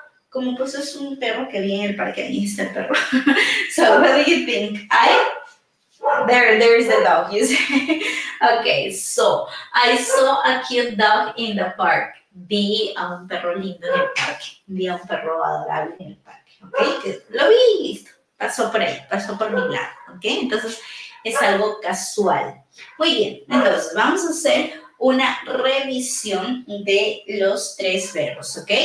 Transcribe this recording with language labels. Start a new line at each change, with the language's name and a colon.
Spanish: Como pues es un perro que viene en el parque, ahí está el perro.
English: So, what do you think? There is the dog, you see. Okay, so, I saw a cute dog in the park.
Spanish: Vi a un perro lindo en el parque. Vi a un perro adorable en el parque. Okay, lo vi, listo. Pasó por ahí, pasó por mi lado. Okay, entonces, es algo casual. Muy bien, entonces, vamos a hacer una revisión de los tres verbos, ¿ok?